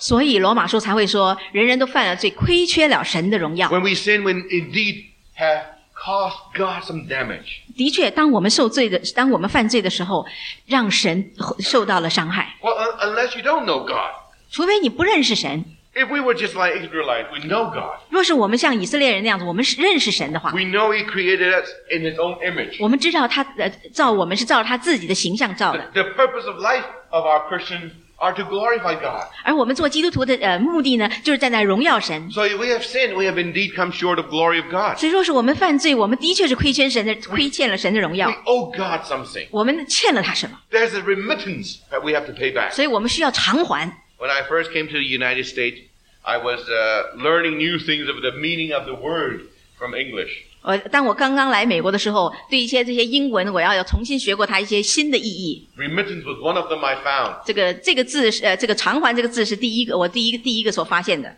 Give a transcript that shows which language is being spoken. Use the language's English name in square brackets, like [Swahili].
[Chinese] 所以, 罗马书才会说, 人人都犯了罪, 亏缺了神的荣耀。 [English] When we sin, we indeed have caused God some damage. [Chinese] 的确, 当我们受罪的, 当我们犯罪的时候, 让神受到了伤害。 [English] Well, unless you don't know God. [Chinese] 除非你不认识神。 [English] If we were just like Israelites, we know God. [Chinese] 若是我们像以色列人那样子, 我们认识神的话, [English] we know He created us in His own image. [Chinese] 我们知道他, 造我们是照他自己的形象造的。 [English] The purpose of life of our Christian are to glorify God. [Chinese] 而我们做基督徒的, 目的呢, 就是站在荣耀神。 [English] So if we have sinned, we have indeed come short of glory of God. [Chinese] 所以若是我们犯罪, 我们的确是亏欠神的, 亏欠了神的荣耀。 [English] We owe God something. [Chinese] 我们欠了他什么。 [English] There's a remittance that we have to pay back. [Chinese] 所以我们需要偿还。 [English] When I first came to the United States, I was learning new things of the meaning of the word from English. [Chinese] 当我刚刚来美国的时候，对一些这些英文，我要重新学过它一些新的意义。 [English] Remittance was one of them I found. [Chinese] 这个字，这个偿还这个字是第一个，我第一个所发现的。